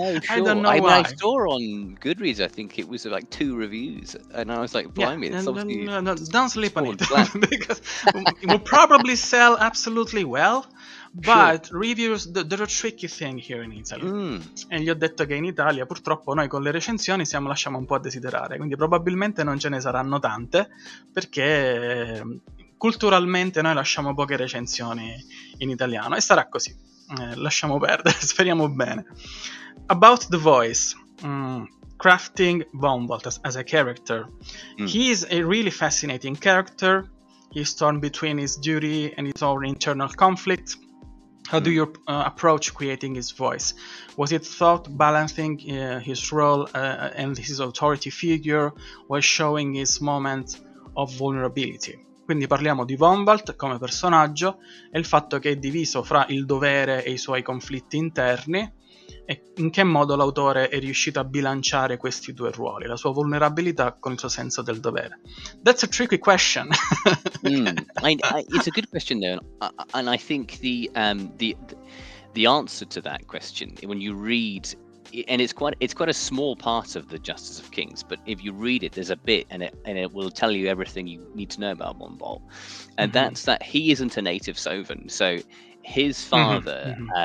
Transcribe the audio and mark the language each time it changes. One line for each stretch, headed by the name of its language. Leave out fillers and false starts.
English: I don't know why. I saw on Goodreads, I think it was like 2 reviews. And I was like, blimey. Yeah. Don't sleep on it. Because it will probably sell absolutely well. But reviews, they're a tricky thing here in Italy.
Italian: E gli ho detto che in Italia, purtroppo, noi con le recensioni siamo lasciamo un po' a desiderare, quindi probabilmente non ce ne saranno tante, perché culturalmente noi lasciamo poche recensioni in italiano, e sarà così. Lasciamo perdere, speriamo bene.
English: About the voice, crafting Bonvolt as a character. He is a really fascinating character. He's torn between his duty and his own internal conflict. How do you approach creating his voice? Was it thought balancing his role and his authority figure while showing his moment of vulnerability?
Italian: Quindi parliamo di Vonvalt come personaggio e il fatto che è diviso fra il dovere e i suoi conflitti interni e in che modo l'autore è riuscito a bilanciare questi due ruoli, la sua vulnerabilità con il suo senso del dovere.
English: That's a tricky question. It's a good question though, and I think the answer to that question, when you read, and it's quite a small part of the Justice of Kings, but if you read it, there's a bit, and it will tell you everything you need to know about Bonvolt, and that's that he isn't a native Sovan, so his father